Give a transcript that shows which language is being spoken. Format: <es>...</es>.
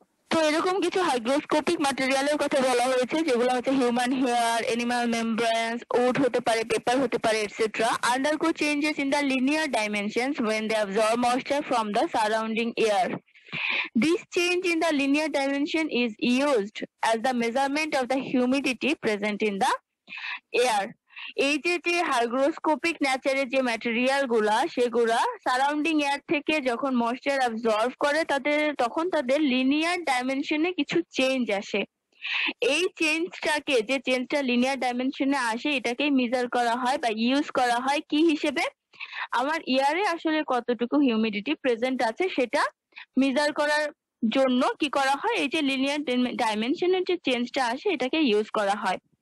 <bn>তো এরকম কিছু হাইগ্রোস্কোপিক ম্যাটেরিয়ালের কথা বলা হয়েছে যেগুলো হচ্ছে হিউম্যান হেয়ার, এনিম্যাল মেমব্রেন্স, উড হতে পারে, পেপার হতে পারে, etcetera,</bn> <en>Undergo changes in the linear dimension when they absorb moisture from the surrounding air. This change in the linear dimension is used as the measurement of the humidity present in the air.</en> <bn>এই যে যে hygroscopic নেচারের যে material গুলা, সেগুলা surrounding air থেকে যখন moisture absorb করে, তাদের তখন তাদের লিনিয়ার ডাইমেনশনে কিছু চেঞ্জ আসে। এই চেঞ্জটাকে, যে চেঞ্জটা লিনিয়ার ডাইমেনশনে আসে, এটাকে মেজার করা হয় বা ইউজ করা হয় কি হিসেবে, আমার এয়ারে আসলে কতটুকু হিউমিডিটি প্রেজেন্ট আছে সেটা মিজার করার জন্য কি করা হয়, এই যে লিনিয়ার ডাইমেনশনের যে চেঞ্জটা আসে এটাকে ইউজ করা হয়।</bn>